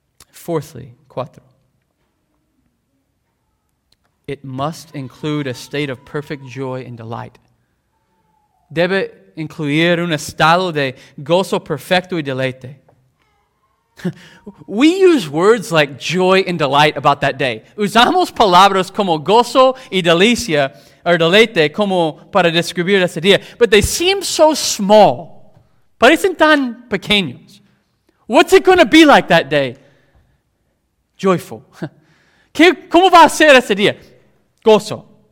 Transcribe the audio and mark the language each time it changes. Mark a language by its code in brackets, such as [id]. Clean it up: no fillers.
[en] Fourthly, it must include a state of perfect joy and delight. [es] Debe incluir un estado de gozo perfecto y deleite. [en] We use words like joy and delight about that day. [es] Usamos palabras como gozo y delicia, or deleite, como para describir ese día. [en] But they seem so small. [es] Parecen tan pequeños. [en] What's it going to be like that day? [es] Joyful. ¿Cómo va a ser ese día? Gozo.